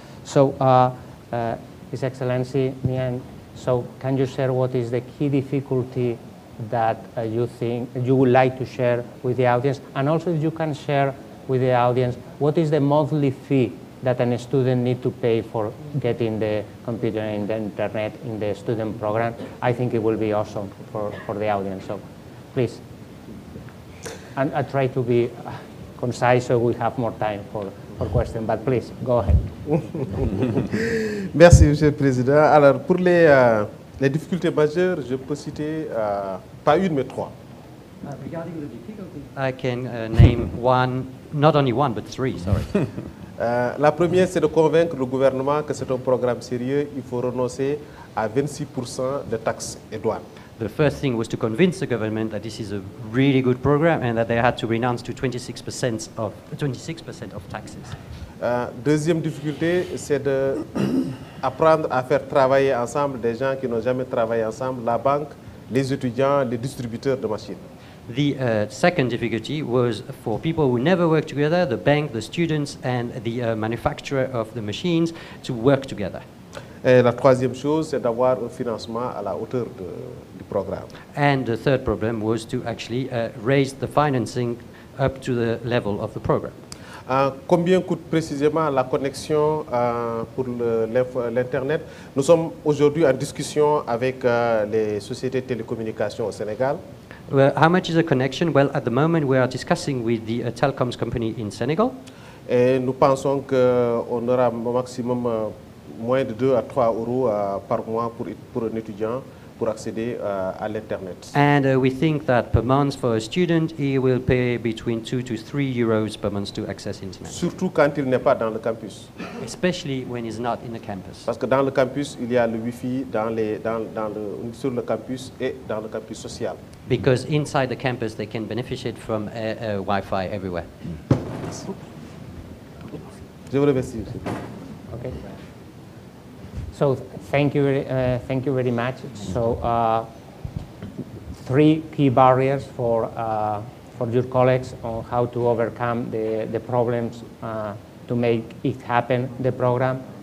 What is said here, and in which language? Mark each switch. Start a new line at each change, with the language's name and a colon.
English: So, His Excellency Nian, so can you share what is the key difficulty that you think you would like to share with the audience, and also if you can share with the audience, what is the monthly fee that a student need to pay for getting the computer and the internet in the student program? I think it will be awesome for the audience. So please, and I try to be concise so we have more time for questions, but please, go ahead.
French: Merci, Monsieur le Président. Alors, pour les difficultés majeures, je peux citer pas une, mais trois.
English: Regarding the difficulty, I can name one. Not only one, but three, sorry.
French: La première, c'est de convaincre le gouvernement que c'est un programme sérieux. Il faut renoncer à 26% de taxes et douanes.
English: the first thing was to convince the government that this is a really good program and that they had to renounce to 26% of 26% of taxes.
French: Deuxième difficulté, c'est de apprendre à faire travailler ensemble des gens qui n'ont jamais travaillé ensemble, la banque, les étudiants, les distributeurs de machines.
English: The second difficulty was for people who never worked together, the bank, the students, and the manufacturer of the machines, to work together.
French: Et la troisième chose, c'est d'avoir un financement à la hauteur de, du programme.
English: And the third problem was to actually raise the financing up to the level of the program.
French: Combien coûte précisément la connexion pour l'Internet? Nous sommes aujourd'hui en discussion avec les sociétés de télécommunications au Sénégal.
English: Well, how much is the connection? Well, at the moment, we are discussing with the telecoms company in Senegal.
French: Et nous pensons qu'on aura au maximum moins de 2 à 3 euros par mois pour un étudiant pour accéder à l'Internet.
English: And we think that per month for a student, he will pay between 2 to 3 euros per month to access Internet.
French: Surtout quand il n'est pas dans le campus.
English: Especially when he's not in the campus.
French: Parce que dans le campus, il y a le Wi-Fi sur le campus et dans le campus social.
English: Because inside the campus, they can benefit from a Wi-Fi everywhere.
French: Je vous remercie, monsieur.
English: Okay. So thank you very much. So three key barriers for your colleagues on how to overcome the problems to make it happen, the program.